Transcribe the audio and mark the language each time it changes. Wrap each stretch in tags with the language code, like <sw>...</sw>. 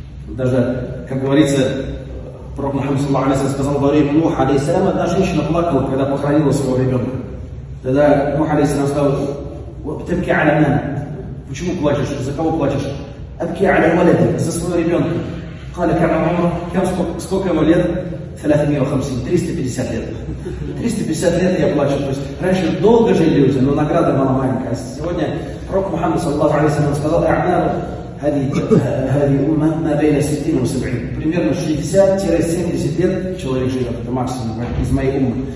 <ru>Даже, как говорится, пророк Мухаммад саллаллаху алейхи ва саллям сказал, во время Нуха алейхиссалям одна женщина плакала, когда похоронила своего ребенка. Тогда Нуха алейхиссалям сказал,</ru> <ar>«Абки аля мен».</ar> <ru>Почему плачешь? За кого плачешь?</ru> <ar>«Абки аля валяди».</ar> <ru>За своего ребенка.</ru> <ar>قال كم عمره؟ كم</ar> <ru>сколько ему лет? 350 лет. Я плачу. То есть раньше долго жили люди, но награда была маленькая. Сегодня пророк Мухаммад саллаллаху алейхи ва саллям сказал:</ru> <ar>"Аъмал хади умма ма байна 60 ва 70".</ar> <ru>Примерно 60-70 лет человек живет, это максимум из моей уммы.</ru>